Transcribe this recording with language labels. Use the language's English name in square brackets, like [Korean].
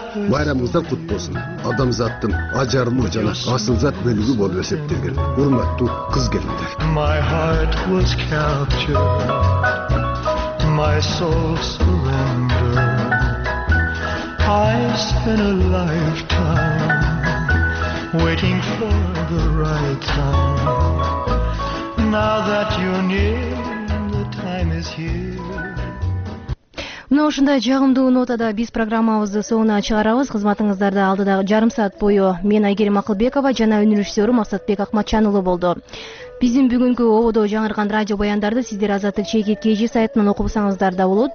[Kyrgyz] Байрамыңыздар кут болсун. Адамзаттын ажарлуу жана асыл зат бөлүгү болуп эсептелген урматтуу кыз келиндер. [English] My soul surrender, I spent a lifetime waiting for the right time. Now that you're near, the time is here. [Kyrgyz] Мына ушундай жагымдуу нотада биз программабызды соңуна чыгарабыз. Кызматыңыздарда алдыдагы жарым саат бою мен Айгерим Акылбекова жана үн режиссёру Максатбек Акматчанулу болду. Биздин бүгүнкү ободо жаңырган радио баяндарды сиздер Азаттык Чекит КЖ сайтынан окупсаңыздар да болот.